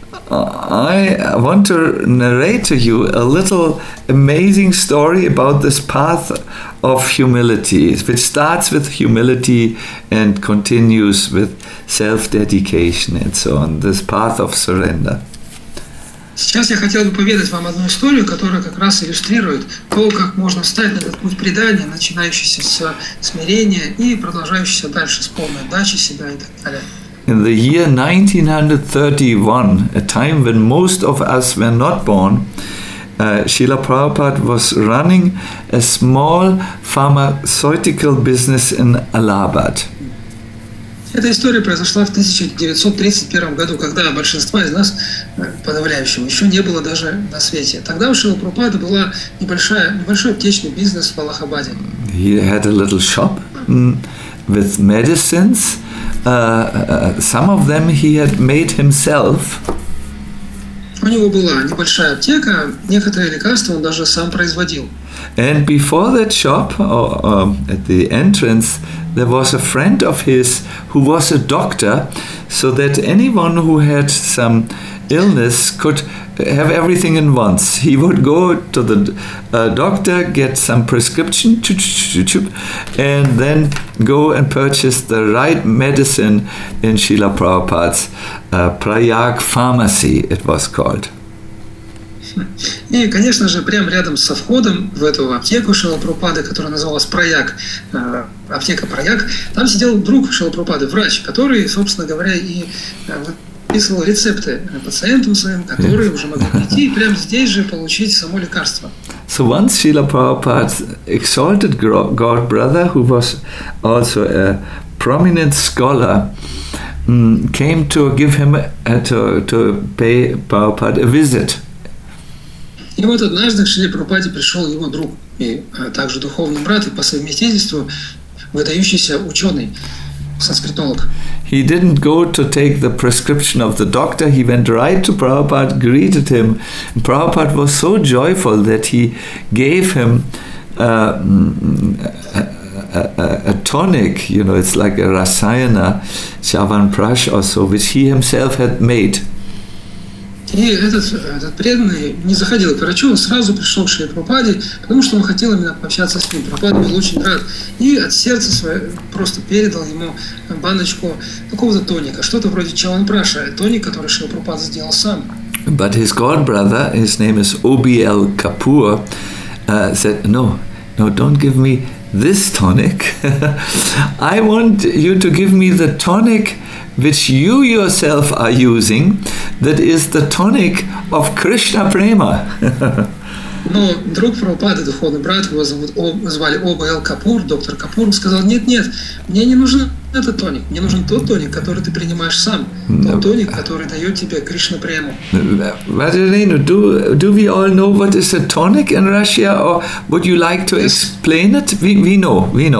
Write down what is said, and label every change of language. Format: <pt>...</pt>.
<en>I want to narrate to you a little amazing story about this path of humility, which starts with humility and continues with self-dedication and so on, this path of surrender.</en> <ru>Сейчас я хотел бы поведать вам одну историю, которая как раз иллюстрирует то, как можно встать на этот путь предания, начинающийся с смирения и продолжающийся дальше с полной отдачи себя и так далее.</ru> <en>In the year 1931, a time when most of us were not born, Srila Prabhupada was running a small pharmaceutical business in Allahabad.</en> <ru>Эта история произошла в 1931 году, когда большинство из нас, подавляющим, еще не было даже на свете. Тогда у Шрила Прабхупады была небольшой аптечный бизнес в Аллахабаде.</ru> <en>He had a little shop with medicines. Some of them he had made himself.</en> <ru>У него была небольшая аптека, некоторые лекарства он даже сам производил.</ru> <en>And before that shop, at the entrance, there was a friend of his who was a doctor, so that anyone who had some illness could have everything in once. He would go to the doctor, get some prescription, and then go and purchase the right medicine in Srila Prabhupada's Prayag Pharmacy, it was called.</en> <ru>И, конечно же, прямо рядом со входом в эту аптеку Шрила Прабхупады, которая называлась Праяг, аптека Праяг, там сидел друг Шрила Прабхупады, врач, который, собственно говоря, и выписывал рецепты пациентам своим, которые уже могли прийти и прямо здесь же получить само лекарство.</ru> <en>So once Srila Prabhupada exalted God brother, who was also a prominent scholar, came to give him to pay Prabhupada a visit.</en> <ru>И вот однажды к Шриле Прабхупаде пришел его друг и также духовный брат и по совместительству выдающийся ученый санскритолог.</ru> <en>He didn't go to take the prescription of the doctor. He went right to Prabhupada, greeted him. And Prabhupada was so joyful that he gave him a tonic. You know, it's like a rasayana, chyavanprash or so, which he himself had made.</en> <ru>И этот преданный не заходил к врачу, он сразу пришел к Шри Прабхупаде, потому что он хотел именно пообщаться с ним. Прабхупада был очень рад. И от сердца свое просто передал ему баночку какого-то тоника, что-то вроде чаванпраша, тоник, который Шри Прабхупада сделал сам.</ru> <en>But his godbrother, his name is OBL Kapoor, said, no, don't give me this tonic. I want you to give me the tonic which you yourself are using, that is the tonic of Krishna Prema.</en> <ru>Но друг Прабхупады, духовный брат, его звали OBL Kapoor, доктор Капур, сказал, нет, мне не нужен этот тоник, мне нужен тот тоник, который ты принимаешь сам, тот тоник, который дает тебе Кришна Прему.</ru> <en>Vajrayana, do we all know what is a tonic in Russia, or would you like to explain it? We know.</en>